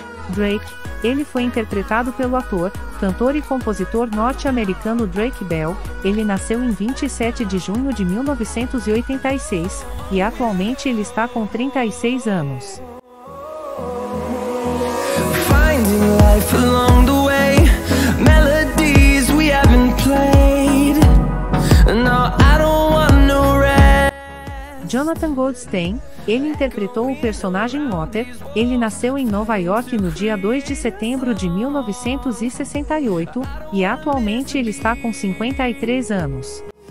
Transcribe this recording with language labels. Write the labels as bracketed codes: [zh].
[pt] Drake, ele foi interpretado pelo ator, cantor e compositor norte-americano Drake Bell. Ele nasceu em 27 de junho de 1986, e atualmente ele está com 36 anos. [en] Finding life along the way, melodies we haven't played. No, I don't want no rest. Jonathan Goldstein. [pt] Ele interpretou o personagem Walter. Ele nasceu em Nova York no dia 2 de setembro de 1968, e atualmente ele está com 53 anos.